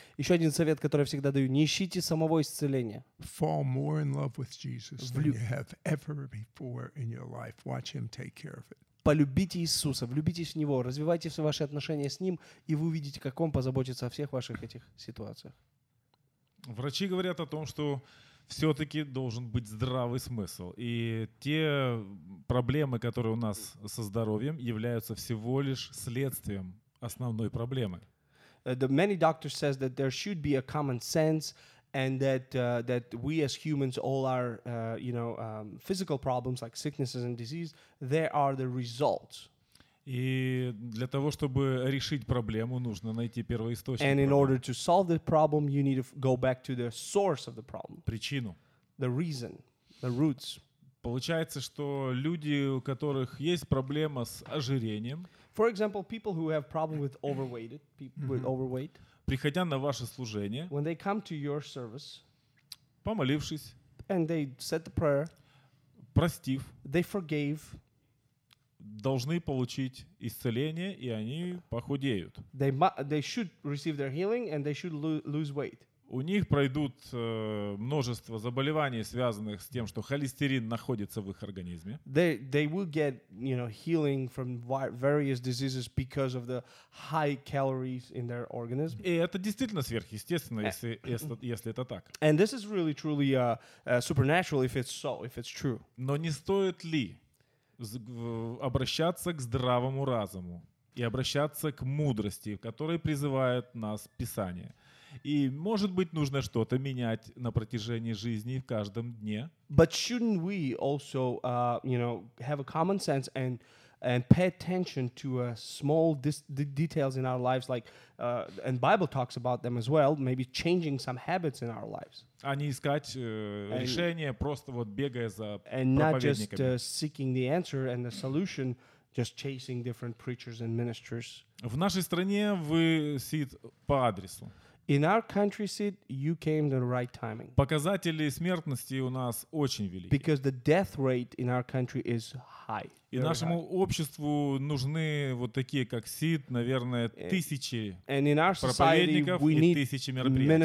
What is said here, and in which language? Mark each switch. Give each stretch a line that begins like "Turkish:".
Russian: Еще один совет, который я всегда даю: не ищите самого исцеления.
English: Fall more in love with Jesus than you have ever before in your life. Watch him take care of it.
Russian: Полюбите Иисуса, влюбитесь в него, развивайте все ваши отношения с ним, и вы увидите, как он позаботится о всех ваших этих ситуациях. Врачи говорят о том, что все-таки должен быть здравый смысл. И те проблемы, которые у нас со здоровьем, являются всего лишь следствием основной проблемы.
English: Many doctors says that there should be a common sense and that we as humans all are, physical problems like sicknesses and disease, they are the results.
Russian: И для того, чтобы решить проблему, нужно найти первоисточник.
English: And in order to solve the problem, you need to go back to the source of the problem.
Russian: Причину.
English: The reason, the roots.
Russian: Получается, что люди, у которых есть проблема с ожирением,
English: for example, people who have problem with overweight,
Russian: приходя на ваше служение,
English: when they come to your service,
Russian: помолившись,
English: and they said the prayer,
Russian: простив,
English: they forgave,
Russian: должны получить исцеление, и они похудеют.
English: They should receive their healing and they should lose weight.
Russian: У них пройдут множество заболеваний, связанных с тем, что холестерин находится в их организме.
English: They will get, healing from various diseases because of the high calories in their organism.
Russian: И это действительно сверхъестественно, если это так.
English: And this is really truly supernatural if it's so, if it's true.
Russian: Но не стоит ли обращаться к здравому разуму и обращаться к мудрости, которая призывает нас Писание. И, может быть, нужно что-то менять на протяжении жизни в каждом дне.
English: But shouldn't we also, have a common sense and and pay attention to small details in our lives, like and Bible talks about them as well, maybe changing some habits in our lives.
Russian: А не искать решение, просто вот бегая за проповедниками.
English: And not just seeking the answer and the solution, just chasing different preachers and ministers.
Russian: В нашей стране вы сидите по адресу.
English: In our country, Sid, you came the right timing.
Russian: Показатели смертности у нас очень велики.
English: Because the death rate in our country is high.
Russian: И нашему обществу нужны вот такие, как Сид, наверное, тысячи проповедников и тысячи мероприятий.